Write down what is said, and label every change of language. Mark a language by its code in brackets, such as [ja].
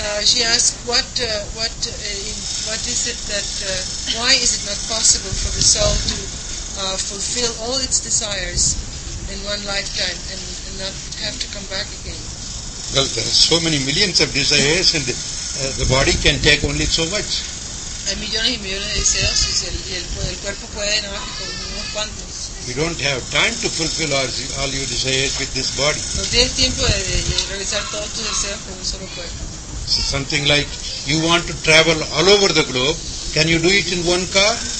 [en] She asked, why is it not possible for the soul to fulfill all its desires in one lifetime and not have to come back again? Well, there are so many millions of desires, and the body can take only so much. [es] Hay millones y millones de deseos, y el cuerpo puede nada más con unos cuantos. [en] You don't have time to fulfill all your desires with this body. So something like, you want to travel all over the globe, can you do it in one car?